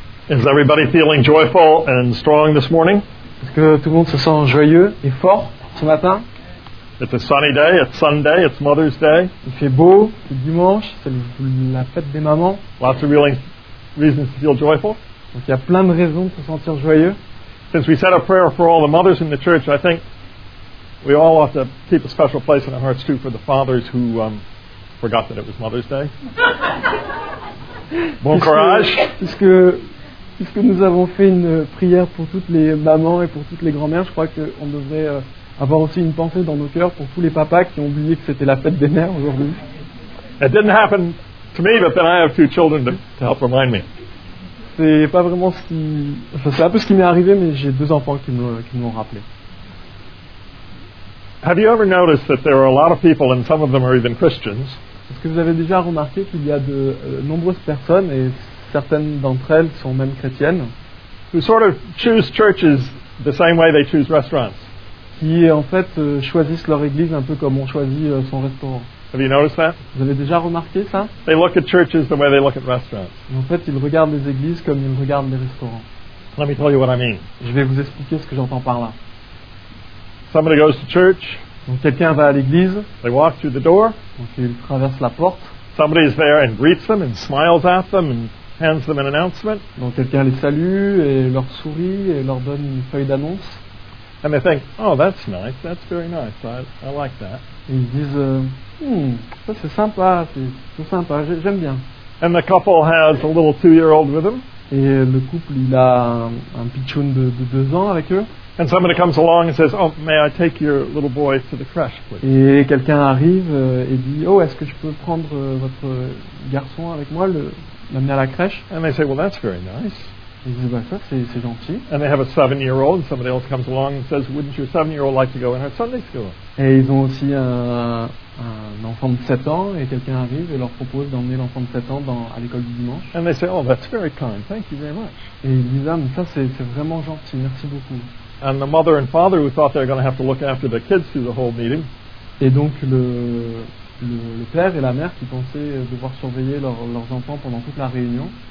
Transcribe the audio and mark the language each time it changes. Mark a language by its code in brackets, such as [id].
[en] Is everybody feeling joyful and strong this morning? [fr] Est-ce que tout le monde se sent joyeux et fort ce matin? [en] It's a sunny day, it's Sunday, it's Mother's Day. [fr] Il fait beau, c'est dimanche, c'est la fête des mamans. [en] Lots of really reasons to feel joyful. [fr] Donc il y a plein de raisons de se sentir joyeux. [en] Since we said a prayer for all the mothers in the church, I think we all ought to keep a special place in our hearts too for the fathers who forgot that it was Mother's Day. [fr] Bon courage. Puisque nous avons fait une prière pour toutes les mamans et pour toutes les grand-mères, je crois qu'on devrait avoir aussi une pensée dans nos cœurs pour tous les papas qui ont oublié que c'était la fête des mères aujourd'hui. [en] It didn't happen to me, but then I have a few children to help remind me. [fr] C'est pas vraiment ce qui... Enfin, c'est un peu ce qui m'est arrivé, mais j'ai deux enfants qui m'ont rappelé. [en] Have you ever noticed that there are a lot of people, and some of them are even Christians? [fr] Est-ce que vous avez déjà remarqué qu'il y a de nombreuses personnes, et certaines d'entre elles sont même chrétiennes, [en] who sort of choose churches the same way they choose restaurants? [fr] Qui en fait choisissent leur église un peu comme on choisit son restaurant. [en] Have you noticed that? [fr] Vous avez déjà remarqué ça? [en] They look at churches the way they look at restaurants. [fr] En fait, ils regardent les églises comme ils regardent les restaurants. [en] Let me tell you what I mean. [fr] Je vais vous expliquer ce que j'entends par là. [en] Somebody goes to church. [fr] Donc quelqu'un va à l'église. [en] They walk through the door. [fr] Donc ils traversent la porte. [en] Somebody is there and greets them and smiles at them and hands them an announcement. [fr] Donc quelqu'un les salue et leur sourit et leur donne une feuille d'annonce. [en] And they think, oh, that's nice. That's very nice. I like that. [fr] Et ils disent, ça c'est sympa, c'est sympa, j'aime bien. [en] And the couple has a little two-year-old with them. [fr] Et le couple, il a un pitchoun de deux ans avec eux. [en] And somebody comes along and says, oh, may I take your little boy to the crèche, please? [fr] Et quelqu'un arrive et dit, oh, est-ce que je peux prendre votre garçon avec moi, l'amener à la crèche? [en] And they say, well, that's very nice. [fr] Ils disent, bah, ça, c'est gentil. [en] And they have a seven-year-old, and somebody else comes along and says, wouldn't your seven-year-old like to go in our Sunday school? [fr] Et ils ont aussi un enfant de 7 ans, et quelqu'un arrive et leur propose d'emmener l'enfant de 7 ans à l'école du dimanche. [en] And they say, oh, that's very kind, thank you very much. [fr] Et ils disent, ah, mais ça, c'est vraiment gentil, merci beaucoup. [en] And the mother and father, who thought they were going to have to look after the kids through the whole meeting. [fr] Et donc le père et la mère qui pensaient devoir surveiller leurs enfants pendant toute la réunion.